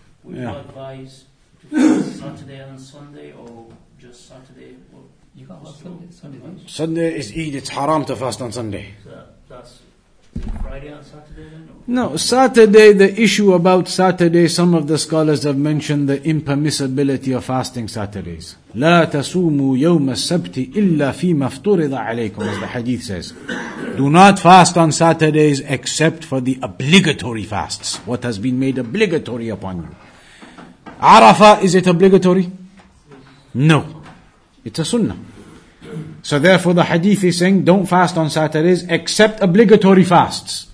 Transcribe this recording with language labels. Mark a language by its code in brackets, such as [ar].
[en] Would you advise to Saturday and Sunday, or just Saturday? You can't fast Sunday. Sunday is Eid, it's haram to fast on Sunday. So that's Friday. Friday and Saturday then? No, the issue about Saturday, some of the scholars have mentioned the impermissibility of fasting Saturdays. [ar] لا تسوموا يوم السبت إلا فيما افترض عليكم, [en] as the hadith says. Do not fast on Saturdays except for the obligatory fasts, what has been made obligatory upon you. Arafah, is it obligatory? No. It's a sunnah. So therefore the hadith is saying, don't fast on Saturdays except obligatory fasts.